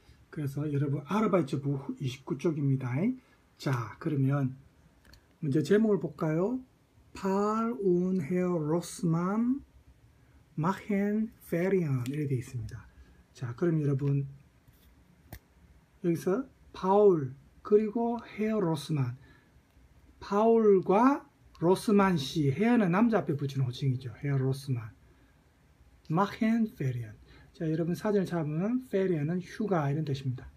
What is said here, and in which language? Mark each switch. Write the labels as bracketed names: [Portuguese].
[Korean] 그래서 여러분, 아르바이트 부 29쪽입니다. 자, 그러면 문제 제목을 볼까요? [German] Paul und Herr Rossmann machen Ferien. [Korean] 이렇게 되어 있습니다. 자, 그럼 여러분, 여기서 Paul, 그리고 Herr Rossmann. Paul과 로스만 씨, 헤어는 남자 앞에 붙이는 호칭이죠. 헤어 로스만. 마헨 페리언. 자, 여러분 사전을 찾아보면 페리언은 휴가 이런 뜻입니다.